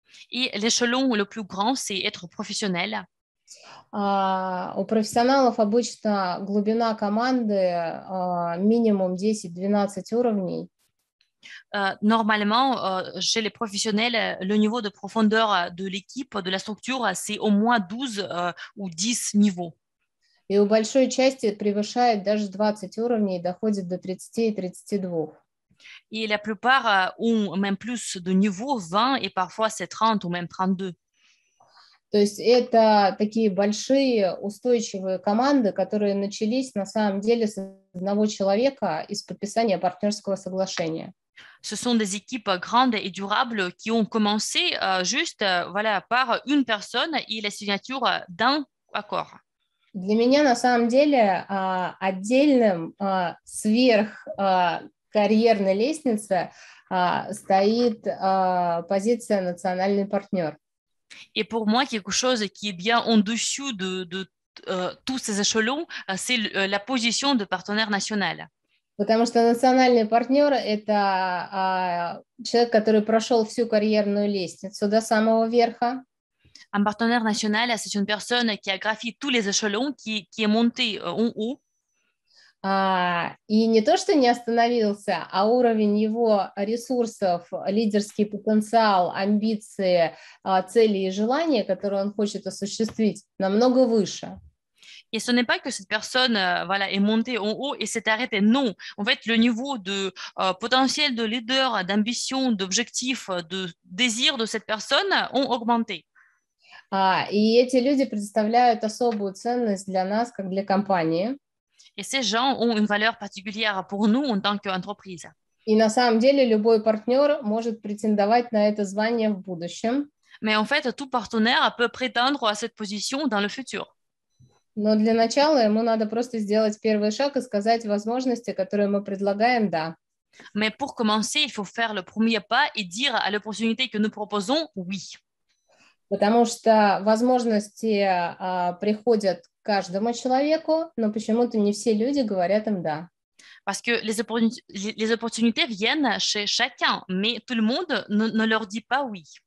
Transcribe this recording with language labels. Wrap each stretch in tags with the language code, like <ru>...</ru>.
<ru>И</ru> <fr>l'échelon le plus grand, c'est être professionnel.</fr> <ru>У профессионалов обычно глубина команды минимум 10-12 уровней.</ru> <fr>Normalement, chez les professionnels, le niveau de profondeur de l'équipe, de la structure, c'est au moins 12 ou 10 niveaux.</fr> <ru>И у большой части превышает даже 20 уровней, доходит до 30-32. И</ru> <fr>la plupart ont même plus de niveau 20 et parfois c'est 30 ou même 32.</fr> <ru>То есть это такие большие устойчивые команды, которые начались на самом деле с одного человека из подписания партнерского соглашения.</ru> <fr>Ce sont des équipes grandes et durables qui ont commencé juste voilà par une personne et la signature d'un accord.</fr> <ru>Для меня на самом деле отдельным сверх карьерной лестницы стоит позиция национальный партнер.</ru> <fr>Et pour moi quelque chose qui est bien en dessous de tous ces échelons, c'est la position de partenaire national.</fr> <ru>Потому что национальный партнер – это человек, который прошел всю карьерную лестницу до самого верха.</ru> <fr>Un partenaire national, c'est une personne qui a gravi tous les échelons, qui est monté en haut.</fr> <ru>И не то, что не остановился, а уровень его ресурсов, лидерский потенциал, амбиции, цели и желания, которые он хочет осуществить, намного выше.</ru> <fr>Et ce n'est pas que cette personne voilà, est montée en haut et s'est arrêtée. Non, en fait, le niveau de potentiel de leader, d'ambition, d'objectif, de désir de cette personne ont augmenté.</fr> <ru>И эти люди представляют особую ценность для нас, как для компании.</ru> <fr>Et ces gens ont une valeur particulière pour nous en tant qu'entreprise.</fr> <ru>И на самом деле любой партнер может претендовать на это звание в будущем.</ru> <fr>Mais en fait, tout partenaire peut prétendre à cette position dans le futur.</fr> <ru>Но для начала ему надо просто сделать первый шаг и сказать возможности, которые мы предлагаем, да.</ru> <fr>Mais pour commencer, il faut faire le premier pas et dire à l'opportunité que nous proposons oui.</fr> <ru>Потому что возможности приходят каждому человеку, но почему-то не все люди говорят им да.</ru> <fr>Parce que les opportunités viennent chez chacun, mais tout le monde ne leur dit pas oui.</fr>